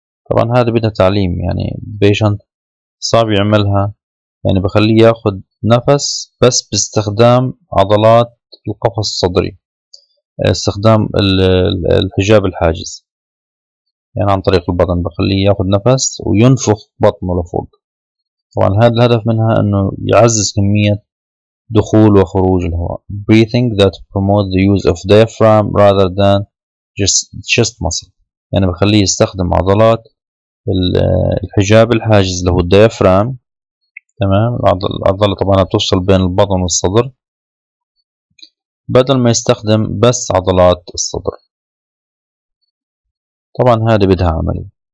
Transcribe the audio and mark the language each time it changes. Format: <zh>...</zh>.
<ar>طبعا هذا بدها تعليم، يعني بيشنت صعب يعملها، يعني بخليه ياخذ نفس بس باستخدام عضلات القفص الصدري، استخدام الحجاب الحاجز، يعني عن طريق البطن بخليه ياخذ نفس وينفخ بطنه لفوق. طبعا هذا الهدف منها انه يعزز كمية دخول وخروج الهواء.</ar> <en>breathing that promote the use of diaphragm rather than just muscle.</en> <ar>يعني بخليه يستخدم عضلات الحجاب الحاجز له الديافرام، تمام، العضلة طبعا بتوصل بين البطن والصدر، بدل ما يستخدم بس عضلات الصدر. طبعا هذه بدها عملية.</ar>